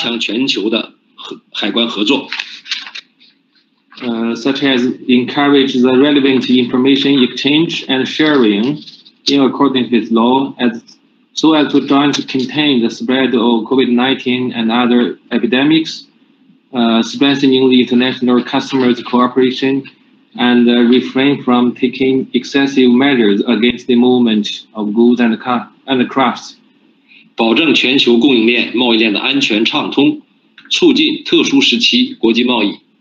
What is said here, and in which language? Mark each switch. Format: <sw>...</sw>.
<zh>鼓励成员海关依法开展信息共享，共同防范新冠肺炎疫情的跨境传播，加强全球的海关合作。</zh> <en>Such as encourage the relevant information exchange and sharing in accordance with law so as to jointly contain the spread of COVID-19 and other epidemics, strengthening the international customers' cooperation, and refrain from taking excessive measures against the movement of goods and crafts.</en> <zh>保证全球供应链贸易链的安全畅通，促进特殊时期国际贸易。</zh>